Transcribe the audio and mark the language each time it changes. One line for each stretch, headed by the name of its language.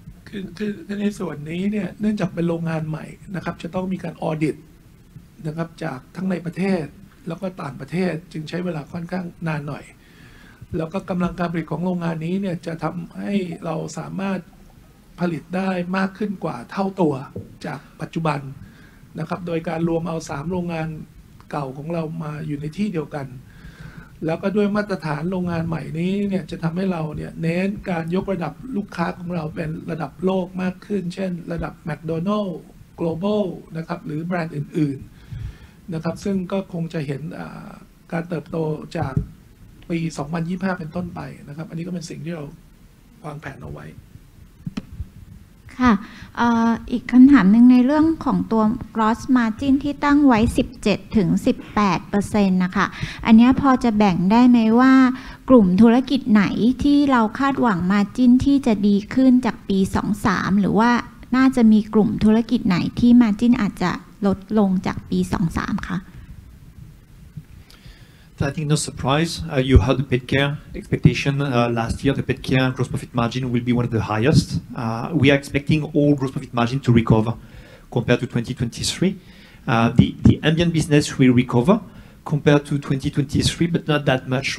English: In this part, since it's a new factory, you have to have an audit from both in the country and outside the country, so it will take a little time. And the production of this factory will make us able to produce more than double the amount from the current.
Thai: นะครับโดยการรวมเอา3โรงงานเก่าของเรามาอยู่ในที่เดียวกันแล้วก็ด้วยมาตรฐานโรงงานใหม่นี้เนี่ยจะทำให้เราเนี่ยเน้นการยกระดับลูกค้าของเราเป็นระดับโลกมากขึ้นเช่นระดับ McDonald's Global นะครับหรือแบรนด์อื่นๆนะครับซึ่งก็คงจะเห็นการเติบโตจากปี2025เป็นต้นไปนะครับอันนี้ก็เป็นสิ่งที่เราวางแผนเอาไว้ ค่ะ อีกคำถามหนึ่งในเรื่องของตัว gross margin ที่ตั้งไว้ 17-18% นะคะอันนี้พอจะแบ่งได้ไหมว่ากลุ่มธุรกิจไหนที่เราคาดหวัง margin ที่จะดีขึ้นจากปี 2-3 หรือว่าน่าจะมีกลุ่มธุรกิจไหนที่ margin อาจจะลดลงจากปี 2-3 คะ
English: I think no surprise. You had the pet care expectation last year. The pet care gross profit margin will be one of the highest. We are expecting all gross profit margin to recover compared to 2023. The ambient business will recover compared to 2023, but not that much.